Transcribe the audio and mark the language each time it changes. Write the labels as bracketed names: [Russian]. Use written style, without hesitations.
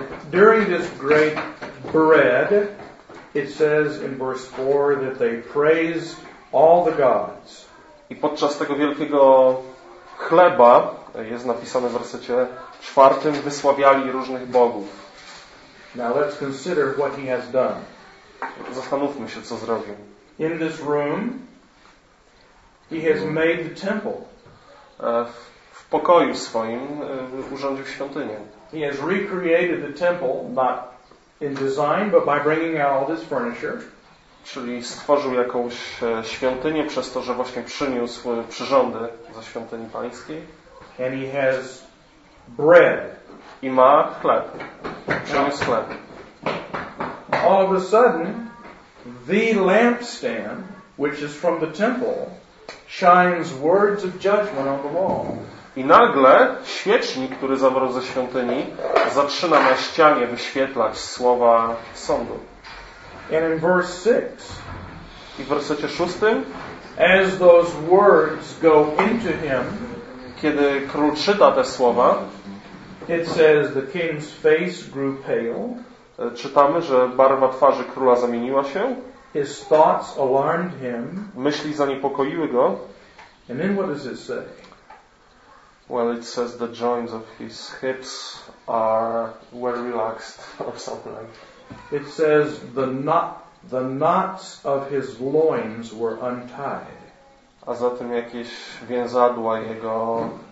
[English] During this great bread, it says in verse 4 that they praised all the gods. [Polish] I podczas tego wielkiego chleba jest napisane w wersecie 4, wysławiali różnych bogów. [English] Now let's consider what he has done. [Polish] Zastanówmy się, co zrobił. [English] In this room, he has made the temple. [Polish] W pokoju swoim urządził świątynię. [English] He has recreated the temple, not in design, but by bringing out all this furniture. [Polish] Czyli stworzył jakąś świątynię przez to, że właśnie przyniósł przyrządy ze świątyni pańskiej. [English] And he has bread. [Polish] I ma chleb. Przyniósł chleb. [English] all of a sudden, the lampstand, which is from the temple, shines words of judgment on the wall. [Polish] I nagle świecznik, który zawarł ze świątyni, zaczyna na ścianie wyświetlać słowa sądu. [English] And in verse 6, [Polish] i w wersecie 6, [English] as those words go into him, [Polish] kiedy król czyta te słowa, [English] it says the king's face grew pale. [Polish] Czytamy, że barwa twarzy króla zamieniła się. [English] His thoughts alarmed him. [Polish] Myśli zaniepokoiły go. [English] And then what does it say? Well, it says the joints of his hips are were relaxed or something like that. It says the knots of his loins were untied. [Polish] A zatem jakieś więzadła jego